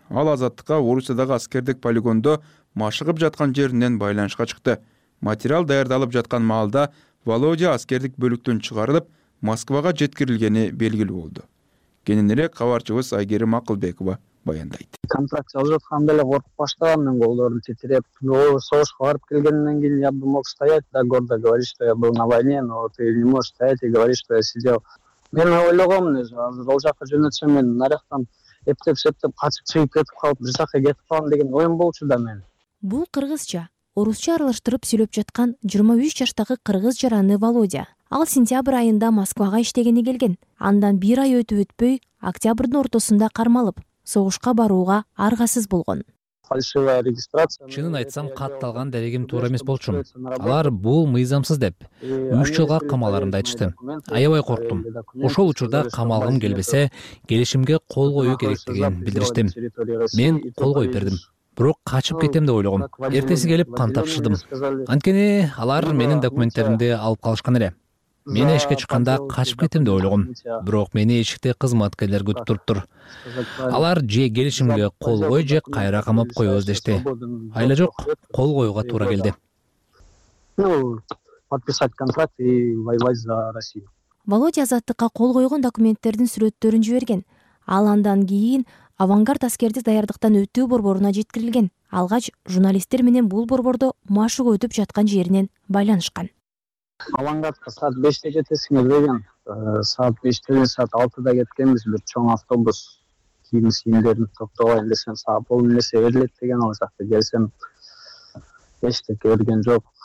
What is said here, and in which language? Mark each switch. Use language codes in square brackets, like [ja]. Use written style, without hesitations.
[ky] Ал азаттыкка Орусиядагы аскердик полигондо машыгып жаткан жеринен байланышка чыкты. Материал даярдалып жаткан маалда Володя аскердик бөлүктөн чыгарылып, Москвага жеткирилгени белгилүү болду. Кененирээк кабарчыбыз Айгерим Акылбекова баяндайт. Контракт алып жатканда эле коркуп баштагам мен, колдорум титиреп. Согушка барып келгенден кийин [ru] я бы мог стоять, да гордо говорить, что я был на войне, но ты не можешь стоять и говорить, что я сидел. [ky] Мен ойлогом эле, азыр ал жака жөнөтсөм мен наряктан эптеп-септеп качып чыгып кетип калып, бир жака кетип калам деген оюм болчу да мен. Бул кыргызча, орусча аралаштырып сүйлөп жаткан 23 жаштагы кыргыз жараны Володя. Ал сентябрь айында Москвага иштегени келген. Андан бир ай өтүп өтпөй, октябрдын ортосунда кармалып, согушка барууга аргасыз болгон. Чынын айтсам, катталган дарегим туура эмес болчу. Алар бул мыйзамсыз деп 3 жылга камаларымды айтышты. Аябай корктум. Ошол учурда камалгым келбесе, келишимге кол коюу керектигин билдириштим. Мен кол коюп бердим. Бирок качып кетем деп ойлогом. Эртеси келип кан тапшырдым. Анткени алар менин документтеримди алып калышкан эле. Мен эшикке чыкканда качып кетем деп ойлогом. Бирок мени эшикте кызматкерлер күтүп туруптур. Алар же келишимге кол кой, же кайра камап коебуз дешти. Айла жок, кол коюуга туура келди. [ru] Подписать контракт и воевать за Россию. [ky] Володя азаттыкка кол койгон документтердин сүрөттөрүн жиберген. Ал андан кийин авангард аскердик даярдыктан өтүү борборуна жеткирилген. Алгач журналисттер менен бул борбордо машыгып өтүп жаткан жеринен байланышкан. Авангардка саат 5:00 жетесиң деген, саат 5:00 менен саат 6:00 кеткенбиз, бир чоң автобус кийим-кийимдерин топтобайын десем, саат 10:00 эмесе берилет деген, ал жакта келсем эчте көргөн жок.